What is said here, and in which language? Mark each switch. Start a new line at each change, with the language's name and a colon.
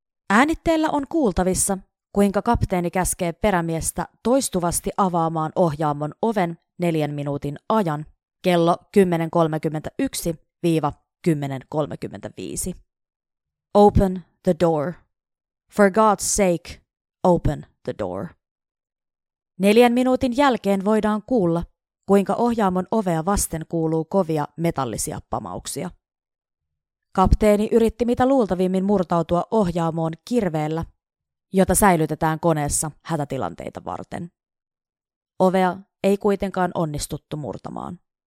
Finnish: Äänitteellä on kuultavissa, kuinka kapteeni käskee perämiestä toistuvasti avaamaan ohjaamon oven 4 minuutin ajan, kello 10.31-10.35.
English: Open the door. For God's sake, open the door.
Finnish: 4 minuutin jälkeen voidaan kuulla, kuinka ohjaamon ovea vasten kuuluu kovia metallisia pamauksia. Kapteeni yritti mitä luultavimmin murtautua ohjaamoon kirveellä, jota säilytetään koneessa hätätilanteita varten. Ovea ei kuitenkaan onnistuttu murtamaan.